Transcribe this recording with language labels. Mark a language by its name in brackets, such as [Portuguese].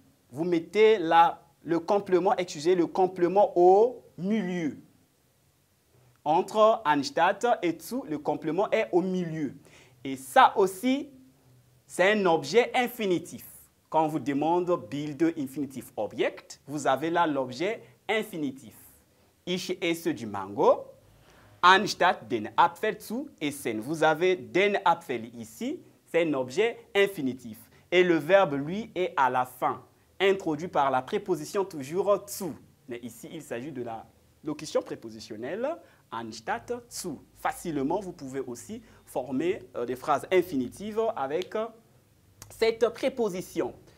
[French] Vous mettez le complément au milieu. Entre anstatt et zu, le complément est au milieu. Et ça aussi, c'est un objet infinitif. Quand on vous demande build infinitif object, vous avez là l'objet infinitif. [German] Ich esse du mango anstatt den Apfel zu essen. [French] Vous avez den Apfel ici, c'est un objet infinitif. Et le verbe, lui, est à la fin, introduit par la préposition toujours zu. Mais ici, il s'agit de la locution prépositionnelle anstatt zu. Facilement, vous pouvez aussi former des phrases infinitives avec cette préposition.